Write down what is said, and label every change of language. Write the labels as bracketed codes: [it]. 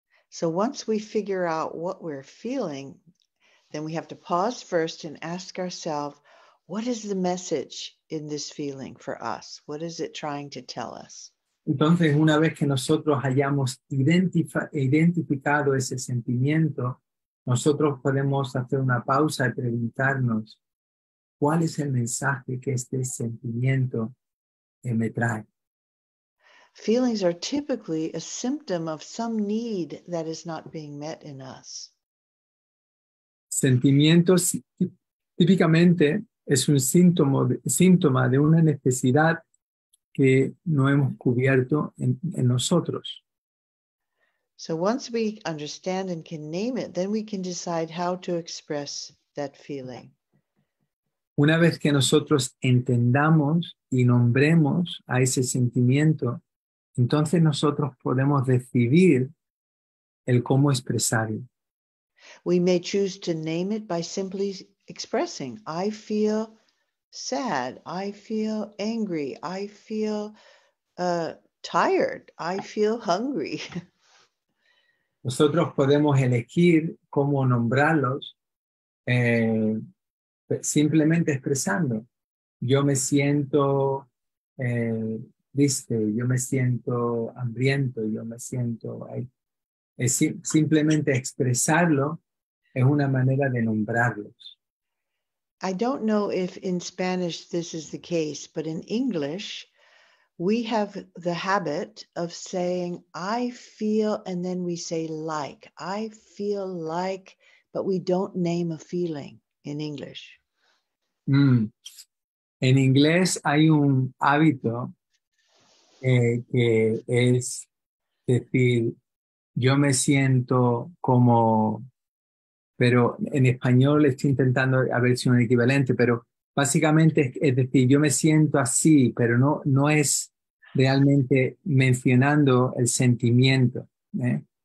[en] So once we figure out what we're feeling, then we have to pause first and ask ourselves, what is the message in this feeling for us? What is it trying to tell us? [es] Entonces, una vez que nosotros hayamos identificado ese sentimiento, nosotros podemos hacer una pausa y preguntarnos, ¿cuál es el mensaje que este sentimiento me trae? [en] Feelings are typically a symptom of some need that is not being met in us. [es] Sentimientos típicamente es un síntoma de una necesidad que no hemos cubierto en nosotros. [en] So once we understand and can name it, then we can decide how to express that feeling. [es] Una vez que nosotros entendamos y nombremos a ese sentimiento, entonces nosotros podemos decidir el cómo expresarlo. [en] We may choose to name it by simply expressing, I feel sad, I feel angry, I feel tired, I feel hungry. [es] Nosotros podemos elegir cómo nombrarlos simplemente expresando. Yo me siento triste, yo me siento hambriento, yo me siento... Es simplemente expresarlo es una manera de nombrarlos. [en] I don't know if in Spanish this is the case, but in English we have the habit of saying I feel and then we say like. I feel like, but we don't name a feeling in English. [es] En inglés hay un hábito que es decir, yo me siento como, pero en español estoy intentando a ver si es un equivalente, pero básicamente es decir, yo me siento así, pero no es realmente mencionando el sentimiento, ¿eh?